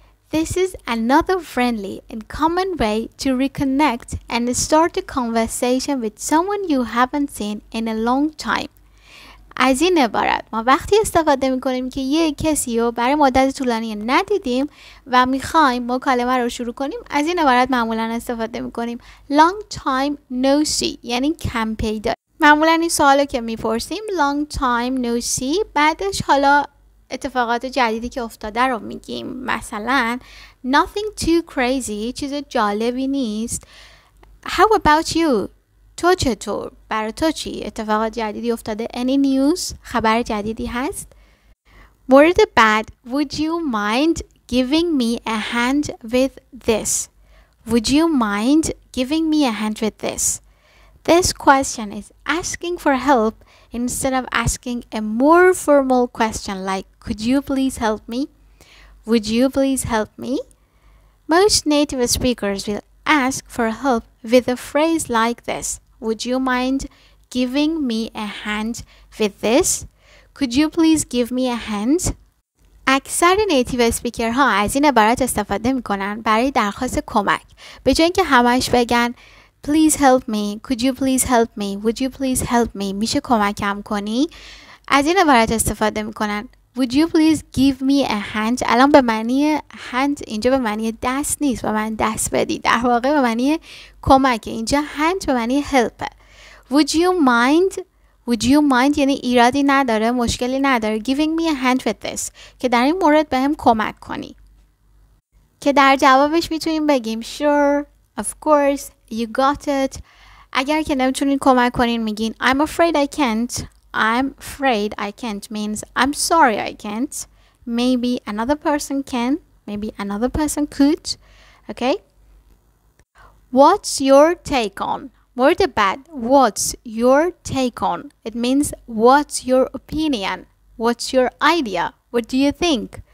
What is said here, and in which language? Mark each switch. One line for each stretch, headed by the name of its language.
English: This is another friendly and common way to reconnect and start a conversation with someone you haven't seen in a long time.
Persian: از این عبارت ما وقتی استفاده میکنیم که یه کسی رو برای مدت طولانی ندیدیم و میخوایم مکالمه رو شروع کنیم از این عبارت معمولا استفاده میکنیم.
English: Long time no see
Persian: یعنی کم پیدا. معمولا این سوالو که میپرسیم
English: long time no see
Persian: بعدش حالا اتفاقات جدیدی که افتاده رو میگیم. مثلا
English: nothing too crazy
Persian: چیز جالبی نیست.
English: How about you?
Persian: تو چطور؟ برای تو چی؟ اتفاقات جدیدی افتاده؟
English: Any news؟
Persian: خبر جدیدی هست؟ مورد بعد
English: Would you mind giving me a hand with this? Would you mind giving me a hand with this? This question is asking for help instead of asking a more formal question like Could you please help me? Would you please help me? Most native speakers will ask for help with a phrase like this. Would you mind giving me a hand with this? Could you please give me a hand?
Persian: اکثر نیتیو اسپیکر ها از این عبارت استفاده میکنن برای درخواست کمک. به جای اینکه همش بگن
English: Please help me. Could you please help me? Would you please help me?
Persian: میشه کمکم کنی؟ از این عبارت استفاده میکنن.
English: Would you please give me a hand?
Persian: الان به معنی hand اینجا به معنی دست نیست. به من دست بدی. در واقع به معنی کمک. اینجا hand به معنی help.
English: Would you mind? Would you mind
Persian: یعنی ایرادی نداره. مشکلی نداره.
English: Giving me a hand with this.
Persian: که در این مورد به هم کمک کنی. که در جوابش میتونیم بگیم
English: Sure. Of course. You got it.
Persian: اگر که نمیتونین کمک کنین میگین
English: I'm afraid I can't. I'm afraid I can't means I'm sorry I can't. Maybe another person can. Maybe another person could. Okay. What's your take on? Word bad. What's your take on? It means what's your opinion? What's your idea? What do you think?